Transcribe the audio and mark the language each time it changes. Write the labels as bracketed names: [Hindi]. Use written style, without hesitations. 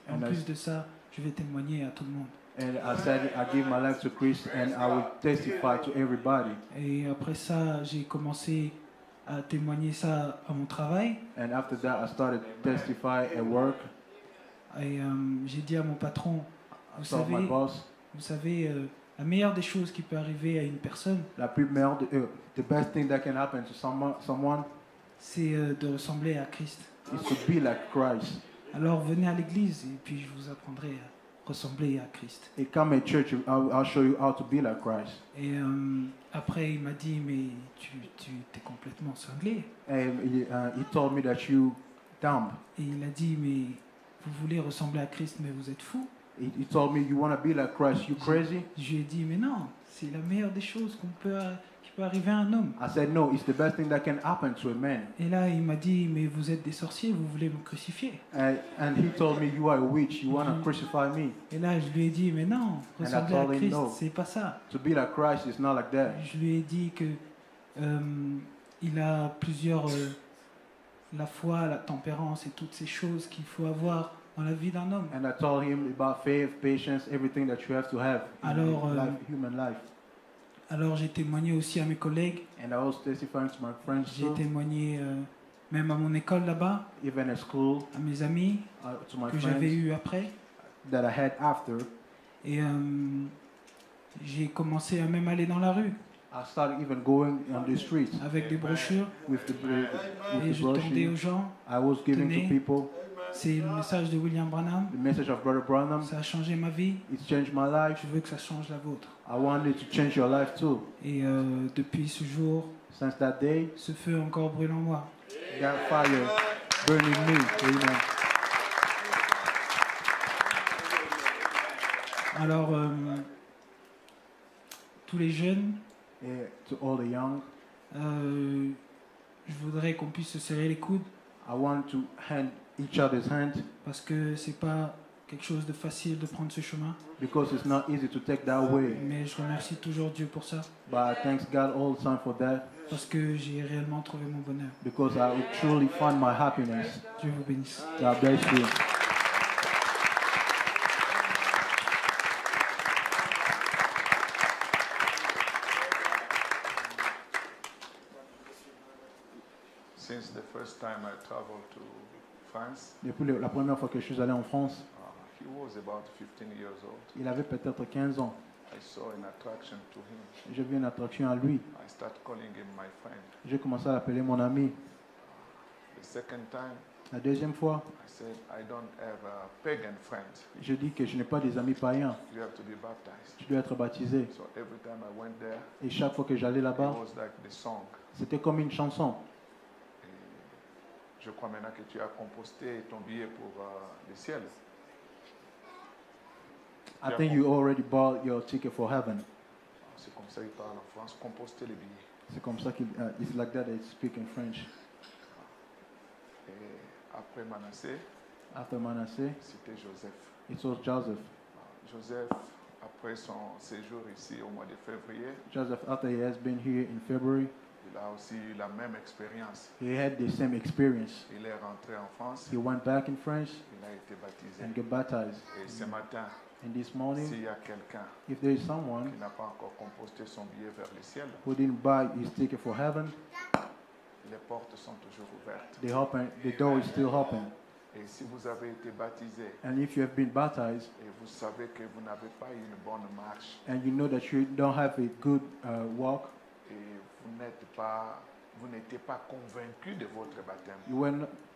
[French] En and plus I, de ça, je vais témoigner à tout le monde. [English] And I said I give my life to Christ and I will testify to everybody. [French] Et après ça, j'ai commencé à témoigner ça à mon travail. [English] And after that, I started testify at work. [French] Et j'ai dit à mon patron, vous savez, [English] my boss, [French] vous savez. La meilleure des choses qui peut arriver à une personne, la plus meilleure, [English] the best thing that can happen to someone, [French] c'est de ressembler à Christ. [English] It's to be like Christ. [French] Alors venez à l'église et puis je vous apprendrai à ressembler à Christ. [English] And come to church, I'll show you how to be like Christ. [French] Et après il m'a dit mais tu t'es complètement cinglé. [English] And he told me that you dumb. [French] Et il a dit mais vous voulez ressembler à Christ mais vous êtes fou. [English] He told me you want to be like Christ. You crazy? [French] Je lui ai dit mais non, c'est la meilleure des choses qui peut arriver à un homme. [English] I said no, it's the best thing that can happen to a man. [French] Et là il m'a dit mais vous êtes des sorciers, vous voulez me crucifier? [English] And he told me you are a witch, you want to crucify me. [French] Et là je lui ai dit mais non, ressembler à Christ, [English] no, [French] c'est pas ça. [English] To be like Christ is not like that. [French] Je lui ai dit que il a plusieurs la foi, la tempérance et toutes ces choses qu'il faut avoir dans la vie d'un homme. [English] And I told him about faith, patience, everything that you have to have in life, human life. [French] Alors j'ai témoigné aussi à mes collègues. [English] And I was testifying to my friends. [French] J'ai témoigné même à mon école là-bas. [English] Even at school. [French] À mes amis. [English] To my [French] que j'avais eu après. [English] That I had after. [French] Et j'ai commencé à même aller dans la rue. [English] I started even going on the streets. [French] Avec des brochures. [English] With the brochures. [French] Et je tendais aux gens. [English] I was giving [French] tenez, [English] to people. [French] C'est le message de William Branham. [English] The message of Brother Branham. [French] Ça a changé ma vie. [English] It's changed my life. [French] Je veux que ça change la vôtre. [English] I want it to change your life too. [French] Et depuis ce jour, [English] since that day, [French] ce feu encore brûle en moi. [English] That fire burning me. Amen. [French] Alors, tous les jeunes, [English] yeah, to all the young, [French] je voudrais qu'on puisse se serrer les coudes. [English] I want to hand each other's hand. [French] Parce que c'est pas quelque chose de facile de prendre ce chemin. [English] Because it's not easy to take that way. [French] Mais je remercie toujours Dieu pour ça. [English] But I thank God all the time for that. [French] Parce que j'ai réellement trouvé mon bonheur. [English] Because I truly find my happiness. [French] Dieu vous bénisse. [English] God bless you. Since the first time I traveled to France. [French] Depuis la première fois que je suis allé en France, [English] he was about 15 years old. [French] Il avait peut-être 15 ans. [English] I saw an attraction to him. [French] J'ai vu une attraction à lui. [English] I start calling him my friend. [French] J'ai commencé à l'appeler mon ami. [English] The second time, [French] la deuxième fois, [English] I said, I don't have a pagan friend. [French] Je dis que je n'ai pas des amis païens. [English] You have to be baptized. [French] Tu dois être baptisé. [English] So every time I went there, [French] et chaque fois que j'allais là-bas, [English] it was like the song. [French] C'était comme une chanson. Je crois maintenant que tu as composté ton billet pour le ciel. [English] I think you already bought your ticket for heaven. [French] C'est comme ça qu'il parle en France, composter les billets. C'est comme ça qu'il [English] it's like that they speak in French. [French] Et après Manassé, [English] after Manassé, [French] c'était Joseph. [English] It was Joseph. [French] Joseph après son séjour ici au mois de février. [English] Joseph after he has been here in February. [French] Il a aussi eu la même expérience. [English] He had the same experience. [French] Il est rentré en France. [English] He went back in France. [French] Il a été baptisé. [English] And got baptized. [French] Et ce matin, [English] and this morning, [French] s'il y a quelqu'un, [English] if there is someone, [French] qui n'a pas encore composté son billet vers le ciel, [English] who didn't buy his ticket for heaven, [French] Les portes sont toujours ouvertes. [English] They open, the door is still open. [French] Et si vous avez été baptisé, [English] and if you have been baptized, [French] et vous savez que vous n'avez pas une bonne marche, [English] and you know that you don't have a good walk, [French] et vous n'étiez pas convaincu de votre baptême.